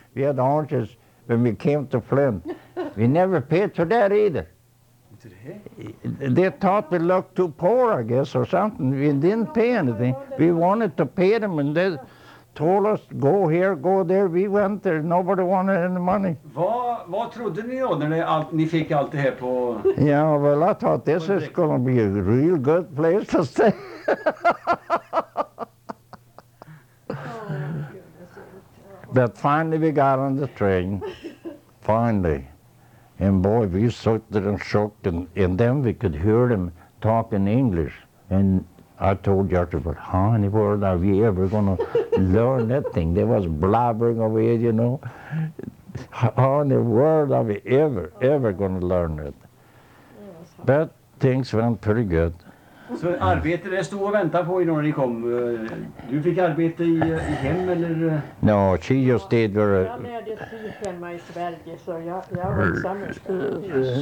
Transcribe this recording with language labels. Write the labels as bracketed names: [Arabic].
[English] We had oranges when we came to Flint. We never paid for that either. They thought we looked too poor, I guess, or something. We didn't pay anything. We wanted to pay them, and they told us, go here, go there. We went there. Nobody wanted any money. [Swedish] Vad trodde ni då när ni fick allt det här på... [English] Yeah, well, I thought this is going to be a real good place to stay. But finally we got on the train. Finally. And boy, we stood there and shook, and then we could hear them talking English. And I told Gertrude, but how in the world are we ever going to learn that thing? They was blabbering away, you know. How in the world are we ever going to learn it? But things went pretty good. [Swedish] Så arbete det stod och väntade på innan ni kom. Du fick arbete i hem eller? [English] No, she just did where. [Swedish] Jag lärde sig hemma i Sverige, så jag var